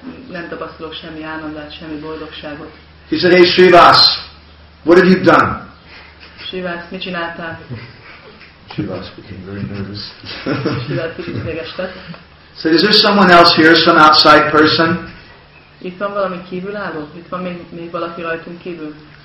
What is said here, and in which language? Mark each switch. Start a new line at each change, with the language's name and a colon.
Hungarian: Nem tapasztalok semmi ánandát, semmi boldogságot.
English: He said, "Hey, Srivas, what have you done?"
Hungarian: Srivas, mit csináltál?
English: Srivas became very nervous.
Hungarian: Srivas kicsit ideges lett.
English: Said, "Is there someone else here, some outside person?"
Hungarian: Itt van valami kívülálló? Itt van még valaki rajtunk kívül?